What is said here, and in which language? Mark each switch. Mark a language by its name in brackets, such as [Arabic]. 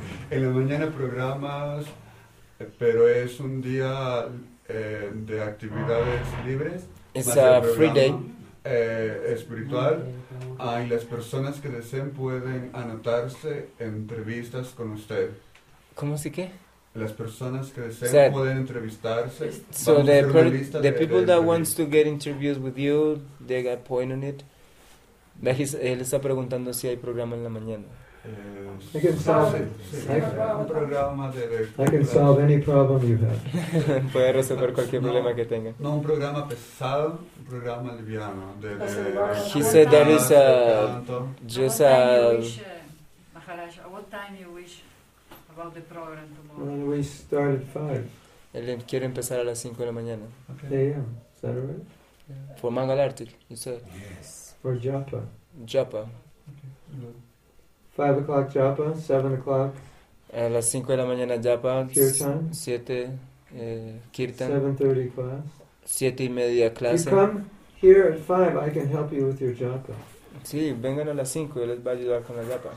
[Spanish] En la mañana programas, pero es un día de actividades libres. [English] It's a free day. [Spanish] Espiritual. Y las personas que deseen pueden anotarse en entrevistas con usted. ¿Cómo así qué? Las personas que desean pueden entrevistarse. [English] So the people that wants to get interviews with you, they got point on it. [Spanish] Él está preguntando si hay programa en la mañana. [English] I can solve any problem you have. [Spanish] Puede resolver cualquier problema que tenga. No un programa pesado, un programa liviano. [English] He said that is a just a. Maharaj, what time you wish? About the program tomorrow. Well, we start at 5. [Spanish] Él quiere empezar a las 5 de la mañana. [English] Okay. A.M. Is that right? Yeah. For Mangalartik, you said. Yes. For Japa. Okay. 5 o'clock Japa, 7 o'clock. [Spanish] A las 5 de la mañana Japa. [English] Kirtan. 7, Kirtan. 7:30 class. [Spanish] 7:30 clase. [English] You come Here at 5, I can help you with your japa. [Spanish] Sí, vengan a las 5, yo les voy a ayudar con la japa.